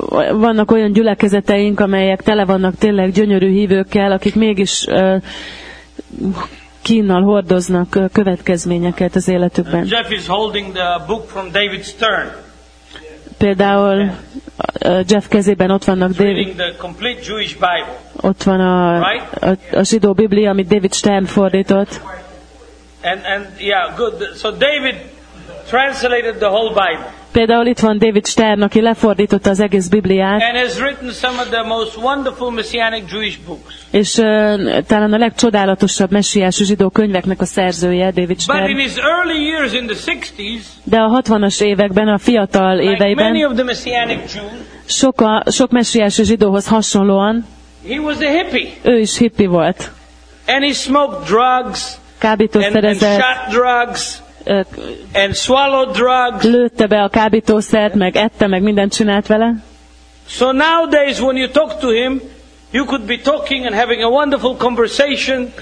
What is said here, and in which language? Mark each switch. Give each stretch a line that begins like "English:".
Hungarian: Vannak olyan gyülekezeteink, amelyek tele vannak tényleg gyönyörű hívőkkel, akik mégis kínnal hordoznak következményeket az életükben.
English: Jeff is holding the book from David Stern.
Hungarian: Például Jeff kezében ott vannak
English: David. The complete Jewish Bible.
Hungarian: Ott van a zsidó Biblia, amit David Stern fordított.
English: And yeah, good. So David translated the whole Bible.
Hungarian: Például itt van David Stern, aki lefordította az egész Bibliát.
English: And has written some of the most wonderful messianic Jewish books.
Hungarian: És talán a legcsodálatosabb messiási zsidó könyveknek a szerzője David Stern.
English: But in his early years in the 60s,
Hungarian: de a 60-as években, a fiatal
English: like
Hungarian: éveiben,
English: many of the messianic Jews,
Hungarian: sok messiási zsidóhoz hasonlóan,
English: he was a hippie.
Hungarian: Ő is hippie volt.
English: And he smoked drugs.
Hungarian: Kábítószerezett.
English: And shot drugs. And swallowed drugs.
Hungarian: Lőtte be a kábítószert, meg ette, meg mindent csinált vele.
English: So nowadays when you talk to him, you could be talking and having a wonderful conversation.